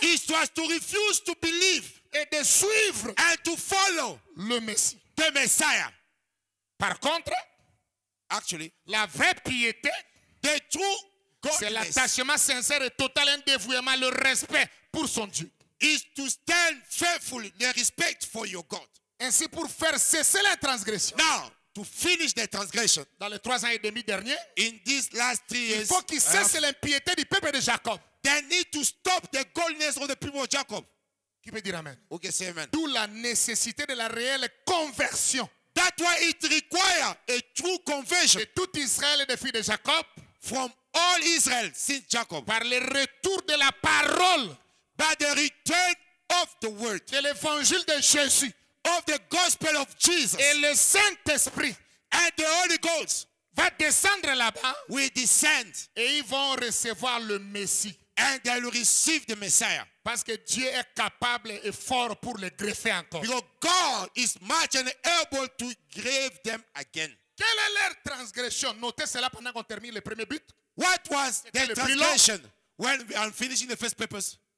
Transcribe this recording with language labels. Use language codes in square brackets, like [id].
[en] It was to refuse to believe. [fr] Et de suivre. [en] And to follow. [fr] Le Messie. [en] The Messiah. [fr] Par contre. [en] Actually. [fr] La vraie piété. [en] The true godliness. [fr] C'est l'attachement sincère et total, un dévouement, le respect pour son Dieu. [en] Is to stand faithfully, the respect for your God. [fr] Ainsi pour faire cesser la transgression. [en] Now, to finish the transgression. [fr] Dans les 3 ans et demi derniers. [en] In these last 3 years. [fr] Il faut qu'ils cessent l'impiété du peuple de Jacob. [en] They need to stop the godliness of the people of Jacob. [fr] Qui peut dire amen? [en] Okay, say amen. [fr] D'où la nécessité de la réelle conversion. [en] That's why it requires a true conversion. [fr] De tout Israël et des filles de Jacob. [en] From all Israel, since Jacob. [fr] Par le retour de la parole. [en] By the return of the word. [fr] De l'évangile de Jésus. [en] Of the gospel of Jesus. [fr] Et le Saint-Esprit. [en] And the Holy Ghost. [fr] Va descendre là-bas. [en] We descend. [fr] Et ils vont recevoir le Messie. [en] And they will receive the Messiah. [fr] Parce que Dieu est capable et fort pour les greffer encore. [en] Because God is much and able to grave them again. [fr] Quelle est leur transgression? Notez cela pendant qu'on termine le premier but. [en] What was their transgression when we are finishing the first purpose?